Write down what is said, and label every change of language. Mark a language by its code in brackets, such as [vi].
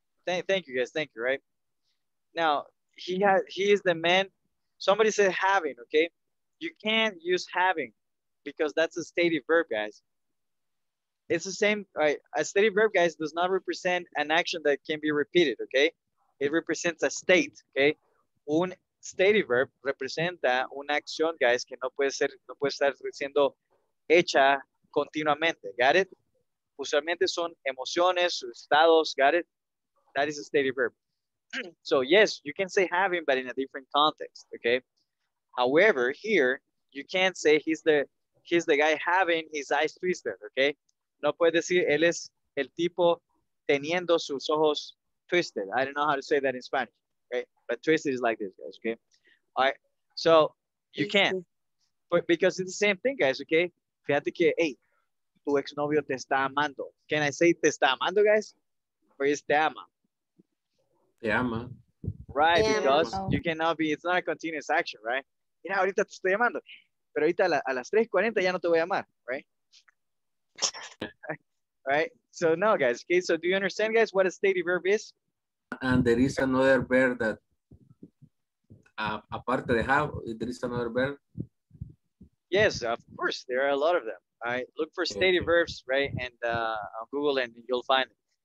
[en] Thank you, guys. Thank you, right? Now, he is the man. Somebody said having, okay? You can't use having. Because that's a stative verb, guys. It's the same, right? A stative verb, guys, does not represent an action that can be repeated, okay? It represents a state, okay? [es] Un stative verb representa una acción, guys, que no puede estar siendo hecha continuamente, [en] got it? [es] Usualmente son emociones, estados, [en] got it? That is a stative verb. So, yes, you can say having, but in a different context, okay? However, here, you can't say he's the guy having his eyes twisted, okay? [es] No puede decir, él es el tipo teniendo sus ojos twisted. [en] I don't know how to say that in Spanish, okay? But twisted is like this, guys, okay? All right, so you can. But because it's the same thing, guys, okay? [es] Fíjate que, hey, tu exnovio te está amando. [en] Can I say [es] te está amando, guys? [en] Or is [es] te ama? Te ama. [en] Right, te because ama. You cannot be, it's not a continuous action, right? [es] Mira, ahorita te estoy amando. Pero ahorita a las 3:40 ya no te voy a llamar, right? [en] Right? So no, guys. Okay, so do you understand, guys, what a stative verb is? And there is another verb that, [es] aparte de [en] have, there is another verb? Yes, of course. There are a lot of them. Right? Look for stative verbs, right? And on Google and you'll find it.